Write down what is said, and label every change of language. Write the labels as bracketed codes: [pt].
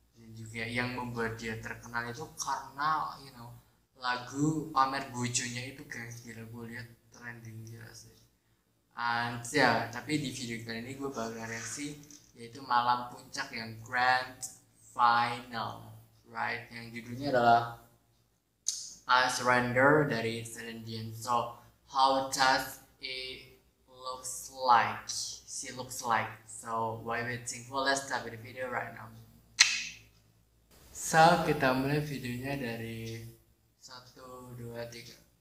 [id] Juga yang membuat dia terkenal itu karena [en] you know [id] lagu pamer bojonya itu, guys, gila gue lihat trending gila sih. [en] And yeah, [id] tapi di video kali ini gue bakal reaksi yaitu Malam Puncak yang Grand Final, right, yang judulnya adalah I Surrender dari Celine Dion. [en] So how does it looks like, she looks like, so why waiting for, let's start with the video right now. [id] So, kita mulai videonya dari 1, 2, 3.